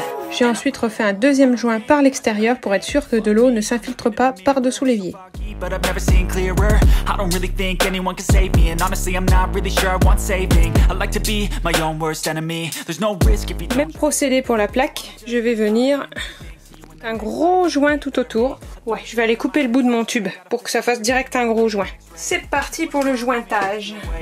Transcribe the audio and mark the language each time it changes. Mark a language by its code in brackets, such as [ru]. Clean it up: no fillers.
[fr] J'ai ensuite refait un deuxième joint par l'extérieur pour être sûr que de l'eau ne s'infiltre pas par-dessous l'évier. [en] But I've never seen clearer. I don't really think anyone can save me. And honestly, I'm not really sure I want saving. I like to be my own worst enemy. There's no risk if you don't... [fr] Même procédé pour la plaque, je vais venir un gros joint tout autour. Ouais, je vais aller couper le bout de mon tube pour que ça fasse direct un gros joint. C'est parti pour le jointage.